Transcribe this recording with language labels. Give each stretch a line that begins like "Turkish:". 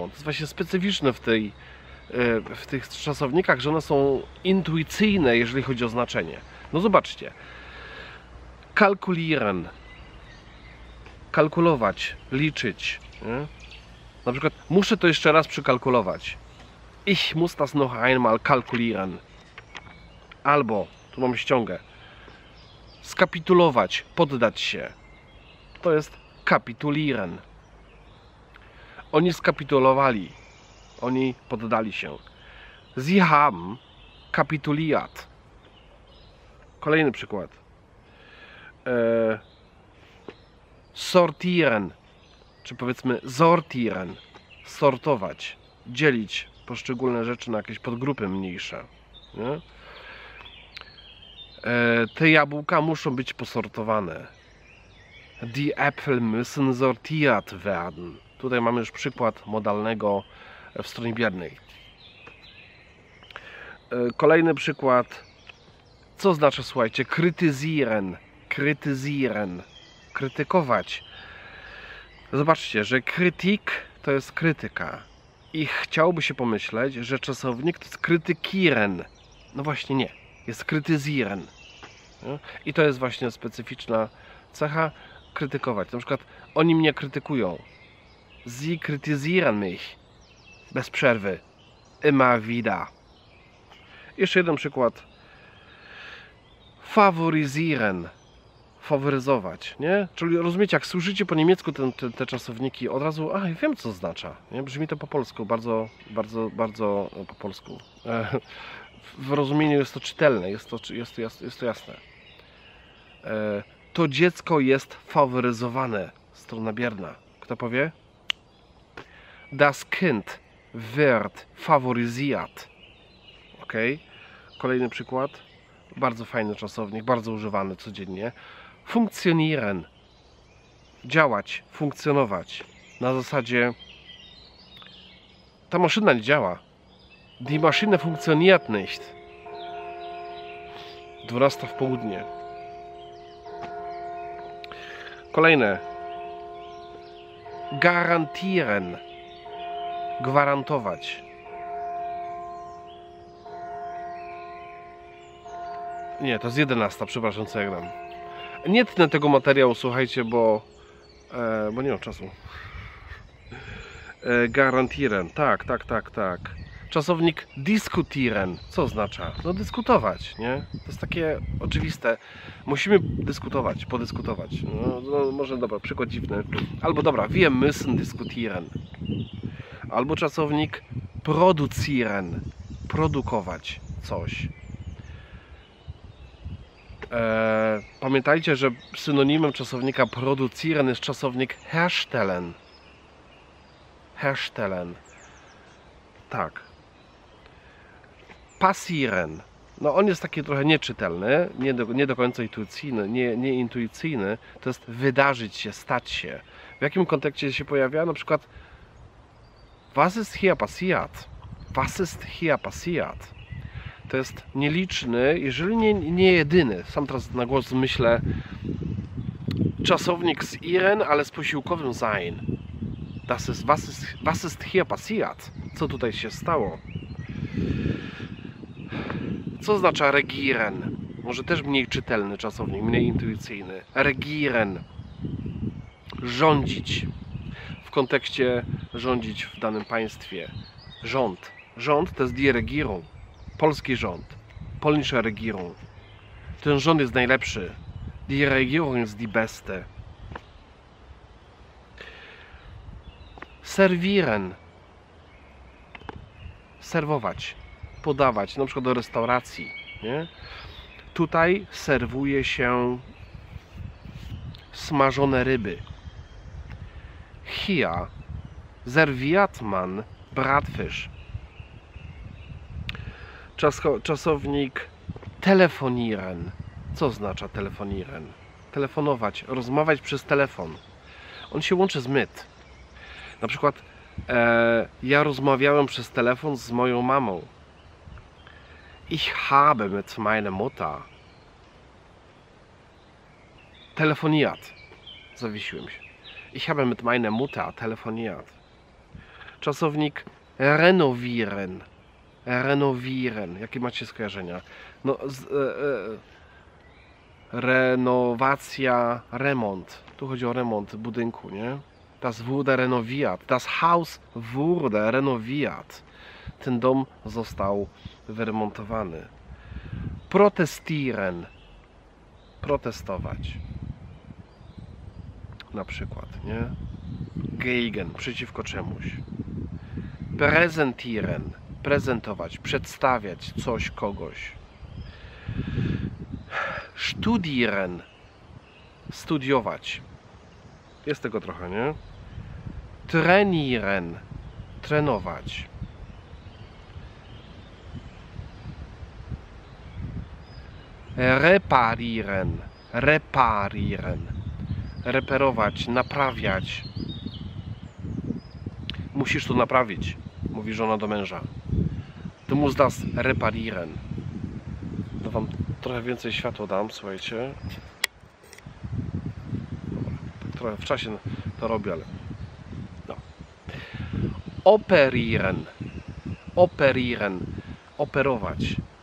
Polish: To jest właśnie specyficzne w tych czasownikach, że one są intuicyjne, jeżeli chodzi o znaczenie. No zobaczcie. Kalkulieren. Kalkulować, liczyć. Nie? Na przykład muszę to jeszcze raz przekalkulować.
German: Ich muss das noch einmal kalkulieren.
Polish: Albo, tu mam ściągę, skapitulować, poddać się. To jest kapitulieren. Oni skapitulowali. Oni poddali się.
German: Sie haben kapituliert.
Polish: Kolejny przykład. Sortieren. Czy powiedzmy sortieren. Sortować, dzielić poszczególne rzeczy na jakieś podgrupy mniejsze. Nie? Te jabłka muszą być posortowane.
German: Die Äpfel müssen sortiert werden.
Polish: Tutaj mamy już przykład modalnego w stronie biernej. Kolejny przykład. Co znaczy, słuchajcie, krytyzieren. Krytyzieren. Krytykować. Zobaczcie, że krytyk to jest krytyka. I chciałby się pomyśleć, że czasownik to jest krytykieren. No właśnie nie. Jest krytyzieren. I to jest właśnie specyficzna cecha krytykować. Na przykład oni mnie krytykują.
German: Sie kritisieren mich.
Polish: Bez przerwy.
German: Immer wieder.
Polish: Jeszcze jeden przykład. Favorisieren. Faworyzować, nie? Czyli rozumiecie, jak słyszycie po niemiecku te czasowniki, od razu, a wiem co oznacza, nie? Brzmi to po polsku, bardzo, bardzo, bardzo po polsku. W rozumieniu jest to czytelne, jest to jasne. To dziecko jest faworyzowane, strona bierna. Kto powie?
German: Das Kind wird favorisiert.
Polish: Ok, kolejny przykład. Bardzo fajny czasownik, bardzo używany codziennie. Funkcjonieren. Działać, funkcjonować. Na zasadzie ta maszyna nie działa.
German: Die Maschine funktioniert nicht.
Polish: 12 w południe. Kolejne. Garantieren. Gwarantować. Nie, to jest 11, przepraszam, co ja gram. Nie tnę tego materiału, słuchajcie, bo Bo nie mam czasu. Garantieren. Tak, tak, tak, tak. Czasownik diskutieren. Co oznacza? No dyskutować, nie? To jest takie oczywiste. Musimy dyskutować, podyskutować. No może dobra, przykład dziwny. Albo dobra,
German: wir müssen diskutieren.
Polish: Albo czasownik producieren. Produkować coś. Pamiętajcie, że synonimem czasownika producieren jest czasownik herstellen. Herstellen. Tak. Passieren. No on jest taki trochę nieczytelny, nie do końca intuicyjny, nieintuicyjny. To jest wydarzyć się, stać się. W jakim kontekście się pojawia? Na przykład
German: was ist hier passiert? Was ist hier passiert?
Polish: To jest nieliczny, jeżeli nie jedyny. Sam teraz na głos myślę czasownik z iren, ale z posiłkowym sein.
German: Das ist, was ist hier passiert?
Polish: Co tutaj się stało? Co oznacza regieren? Może też mniej czytelny czasownik, mniej intuicyjny. Regieren. Rządzić. W kontekście rządzić w danym państwie. Rząd. Rząd to jest die Regierung. Polski rząd.
German: Polnische Regierung.
Polish: Ten rząd jest najlepszy.
German: Die Regierung ist die beste.
Polish: Servieren. Serwować. Podawać. Na przykład do restauracji. Nie? Tutaj serwuje się smażone ryby.
German: Hier serviert man Bratfisch.
Polish: Czasownik telefonieren. Co oznacza telefonieren? Telefonować, rozmawiać przez telefon. On się łączy z mit. Na przykład ja rozmawiałem przez telefon z moją mamą.
German: Ich habe mit meiner Mutter telefoniert.
Polish: Zawiesiłem się.
German: Ich habe mit meiner Mutter telefoniert.
Polish: Czasownik renovieren. Renovieren. Jakie macie skojarzenia? No, renowacja, remont. Tu chodzi o remont budynku, nie?
German: Das wurde renoviert. Das Haus wurde renoviert.
Polish: Ten dom został wyremontowany. Protestieren. Protestować. Na przykład, nie? Gegen. Przeciwko czemuś. Präsentieren. Prezentować, przedstawiać coś, kogoś. Studieren. Studiować. Jest tego trochę, nie? Trainieren. Trenować. Reparieren. Reparieren. Reperować, naprawiać. Musisz to naprawić, mówi żona do męża.
German: Du musst das reparieren.
Polish: To wam trochę więcej światła dam, słuchajcie. Trochę w czasie to robię, ale... No. Operieren. Operieren. Operować.